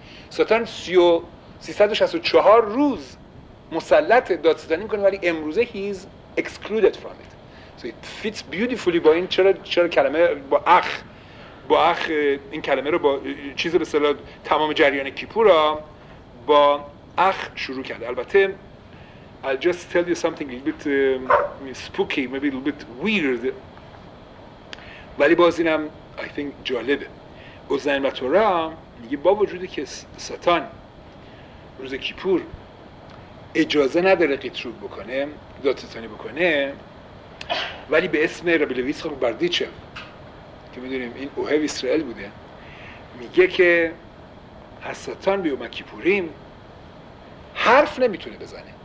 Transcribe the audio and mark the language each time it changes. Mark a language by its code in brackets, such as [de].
[fa] ساتان 364 روز مسلطه دادستانی میکنه ولی امروزه [en] he's excluded from it. So it fits beautifully [fa] با این چرا کلمه با اخ، با اخ این کلمه رو با چیز به اصطلاح تمام جریان کیپورا با اخ شروع کرده. البته [en] I'll just tell you something a little bit spooky, maybe a little bit weird. [fa] ولی باز اینم [en] I think [fa] جالبه. اوزن بطورا میگه با وجودی که ساتان روز کیپور اجازه نداره قیتروب بکنه، دادستانی بکنه، ولی به اسم رابی لویس خب بردیچه که میدونیم این اوهو اسرائیل بوده، میگه که حساتان بیوم کیپوریم حرف نمیتونه بزنه.